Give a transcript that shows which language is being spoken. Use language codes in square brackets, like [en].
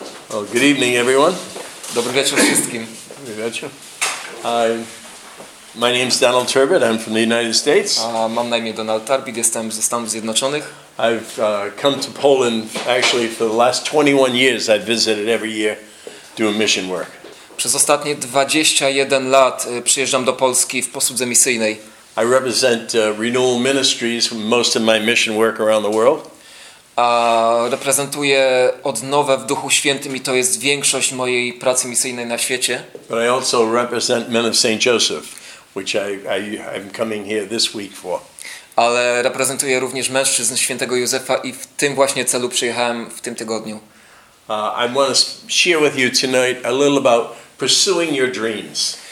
[en] Well, good evening, everyone. [ru] Добрый вечер всем. [en] Good [ru] вечер. [en] My name is Donald Turbitt. I'm from the United States. [pl] Mam na imię Donald Turbitt. Jestem ze Stanów Zjednoczonych. [en] I've come to Poland actually for the last 21 years. I've visited every year doing mission work. [pl] Przez ostatnie 21 lat przyjeżdżam do Polski w posłudze misyjnej. [en] I represent Renewal Ministries for most of my mission work around the world. [pl] A reprezentuję odnowę w Duchu Świętym i to jest większość mojej pracy misyjnej na świecie. [en] But I also represent Men of St. Joseph, which I'm coming here this week for. [pl] Ale reprezentuję również mężczyzn Świętego Józefa i w tym właśnie celu przyjechałem w tym tygodniu. [en] I want to share with you tonight a little about pursuing your dreams.